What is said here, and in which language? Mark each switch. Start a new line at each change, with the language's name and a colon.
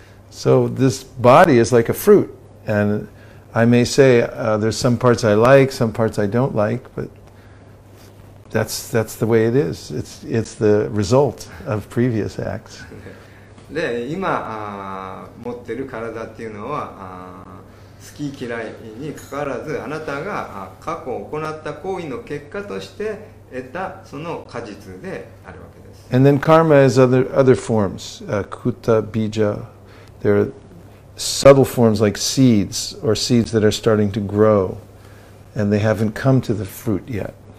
English: So this body is like a fruit. And I may say, there's some parts I like, some parts I don't like, but that's the way it is. It's the result of previous acts.
Japanese: で、今、持ってる体っていうのは、好き嫌いにかかわらず、あなたが過去行った行為の結果として得たその果実であるわけです。
English: And then karma is other forms. Kuta, bija. There are subtle forms like seeds or seeds that are starting to grow and they haven't come to the fruit yet.